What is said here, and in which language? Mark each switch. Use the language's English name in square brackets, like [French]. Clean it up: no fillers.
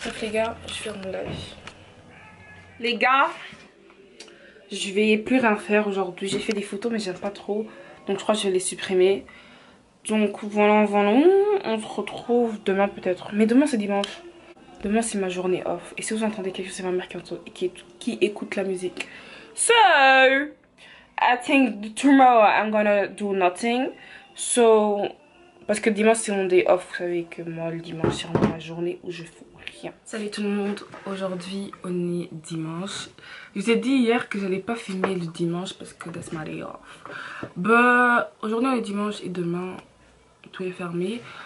[French] Donc les gars, je vais faire mon live. Les gars, je vais plus rien faire aujourd'hui. J'ai fait des photos mais j'aime pas trop. Donc je crois que je vais les supprimer. Donc voilà, voilà. On se retrouve demain peut-être. Mais demain c'est dimanche. Demain c'est ma journée off. Et si vous entendez quelque chose, c'est ma mère qui écoute la musique. [English] So, I think tomorrow I'm gonna do nothing. [French] So, parce que dimanche c'est mon day off. Vous savez que moi le dimanche c'est vraiment ma journée où je fais rien. Salut tout le monde. Aujourd'hui on est dimanche. Je vous ai dit hier que j'allais pas filmer le dimanche parce que [English] that's my day off. [French] But aujourd'hui on est dimanche et demain tout est fermé.